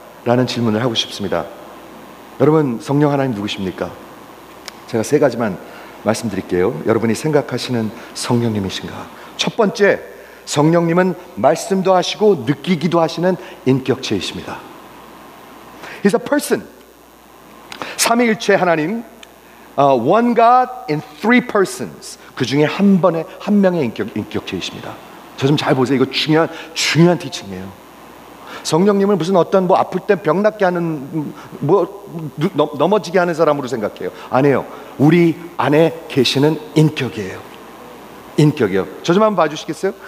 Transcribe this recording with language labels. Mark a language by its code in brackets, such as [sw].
[ko] 라는 질문을 하고 싶습니다. 여러분 성령 하나님 누구십니까? 제가 세 가지만 말씀드릴게요. 여러분이 생각하시는 성령님이신가? 첫 번째, 성령님은 말씀도 하시고 느끼기도 하시는 인격체이십니다. [en] He's a person. [ko] 삼위일체 하나님. [en] One God in three persons. [ko] 그 중에 한 번에 한 명의 인격체이십니다. 저 좀 잘 보세요. 이거 중요한 티칭이에요. 성령님을 무슨 어떤 뭐 아플 때 병 낫게 하는 뭐 넘어지게 하는 사람으로 생각해요. 아니에요. 우리 안에 계시는 인격이에요. 인격이요. 저 좀 한번 봐주시겠어요?